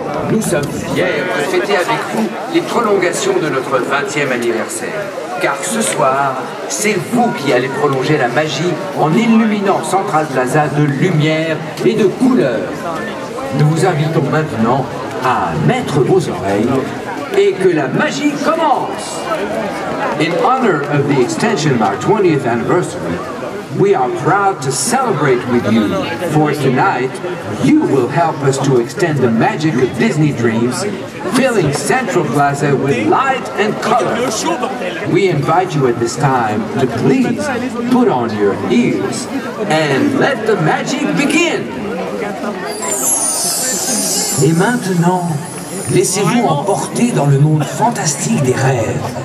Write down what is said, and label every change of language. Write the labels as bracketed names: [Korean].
[French] Nous sommes fiers de fêter avec vous les prolongations de notre 20e anniversaire. Car ce soir, c'est vous qui allez prolonger la magie en illuminant Central Plaza de lumière et de couleurs. Nous vous invitons maintenant à mettre vos oreilles et que la magie commence. [English] In honor of the extension of our 20th anniversary, we are proud to celebrate with you, for tonight, you will help us to extend the magic of Disney Dreams, filling Central Plaza with light and color. We invite you at this time to please put on your ears and let the magic begin. [French] Et maintenant, laissez-vous emporter dans le monde fantastique des rêves.